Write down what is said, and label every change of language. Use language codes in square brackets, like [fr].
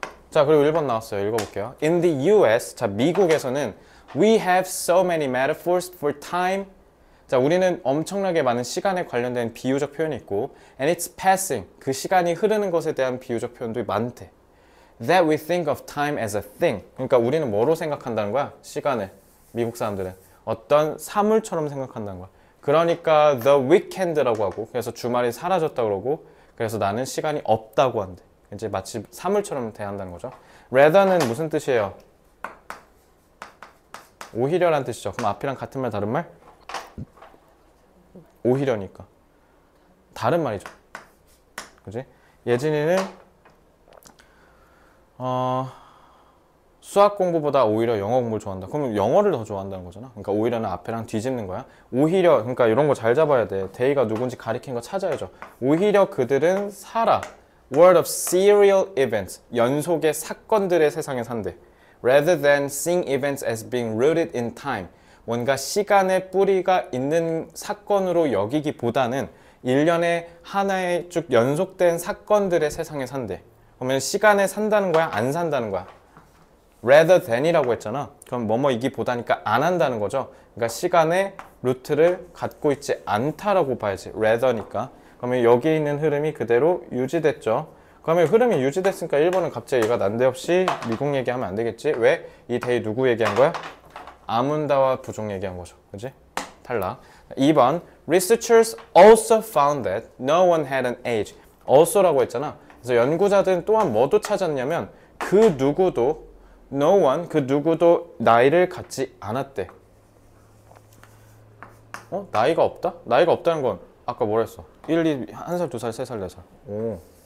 [ko] 자, 그리고 1번 나왔어요. 읽어볼게요. [en] In the US, [ko] 자, 미국에서는 [en] we have so many metaphors for time. [ko] 자, 우리는 엄청나게 많은 시간에 관련된 비유적 표현이 있고, [en] and it's passing. [ko] 그 시간이 흐르는 것에 대한 비유적 표현도 많대. [en] That we think of time as a thing. [ko] 그러니까 우리는 뭐로 생각한다는 거야? 시간을. 미국 사람들은 어떤 사물처럼 생각한다는 거야. 그러니까 the weekend라고 하고, 그래서 주말이 사라졌다 그러고, 그래서 나는 시간이 없다고 한대. 이제 마치 사물처럼 대한다는 거죠. rather는 무슨 뜻이에요? 오히려란 뜻이죠. 그럼 앞이랑 같은 말, 다른 말? 오히려니까. 다른 말이죠. 그지? 예진이는 수학 공부보다 오히려 영어 공부를 좋아한다. 그럼 영어를 더 좋아한다는 거잖아. 그러니까 오히려는 앞에랑 뒤집는 거야. 오히려, 그러니까 이런 거잘 잡아야 돼. 데이가 누군지 가리킨 거 찾아야죠. 오히려 그들은 살아. [en] World of serial events. [ko] 연속의 사건들의 세상에 산대. [en] Rather than seeing events as being rooted in time. [ko] 뭔가 시간의 뿌리가 있는 사건으로 여기기보다는 일련의 하나의 쭉 연속된 사건들의 세상에 산대. 그러면 시간에 산다는 거야? 안 산다는 거야? rather than이라고 했잖아. 그럼 뭐뭐이기보다니까 안 한다는 거죠. 그러니까 시간의 루트를 갖고 있지 않다라고 봐야지. rather니까. 그러면 여기 있는 흐름이 그대로 유지됐죠. 그러면 흐름이 유지됐으니까 1번은 갑자기 얘가 난데없이 미국 얘기하면 안 되겠지. 왜? 이 대의 누구 얘기한 거야? 아문다와 부족 얘기한 거죠. 그지? 탈락. 2번. [en] Researchers also found that no one had an age. [ko] also라고 했잖아. 그래서 연구자들은 또한 뭐도 찾았냐면 그 누구도 No one, 그 누구도 나이를 갖지 않았대. 어? 나이가 없다? 나이가 없다는 건 아까 뭐라 했어? 1, 2, 1살, 2살, 3살, 4살. 오.